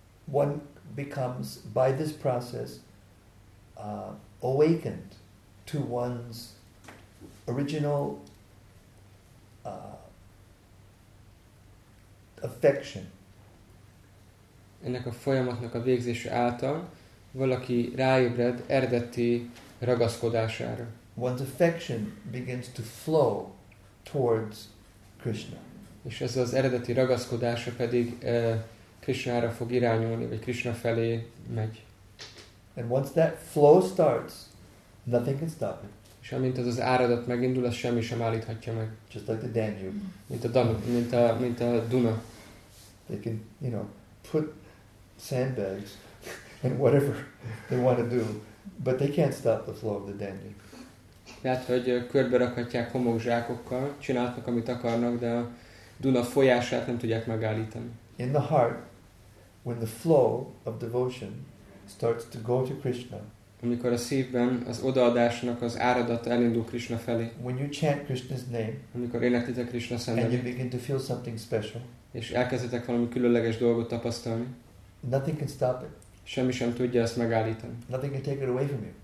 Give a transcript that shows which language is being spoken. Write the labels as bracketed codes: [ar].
[en] One becomes by this process awakened to one's original affection. [hu] Ennek a folyamatnak a végzése által valaki ráébred eredeti ragaszkodására. [en] One's affection begins to flow towards Krishna. [hu] És ez az eredeti ragaszkodása pedig Krishnára fog irányulni, vagy Krishna felé megy. [en] And once that flow starts, nothing can stop it. [hu] És amint az áradat megindul, az semmi sem állíthatja meg. [en] Just like the Danube. [hu] Mint a Duna. [en] They can, you know, put sandbags and whatever they want to do, but they can't stop the flow of the Danube. [hu] Lehet, hogy körbe rakhatják homokzsákokkal, csinálnak, amit akarnak, de a Duna folyását nem tudják megállítani. [en] In the heart, when the flow of devotion starts to go to Krishna, [hu] amikor a szívben az odaadásnak az áradata elindul Krishna felé, [en] when you chant Krishna's name, [hu] amikor énekelitek Krishna szentnevét, [en] and you begin to feel something special, [hu] és elkezdetek valami különleges dolgot tapasztalni, [en] nothing can stop it. [hu] Semmi sem tudja ezt megállítani. [en] Nothing can take it away from you.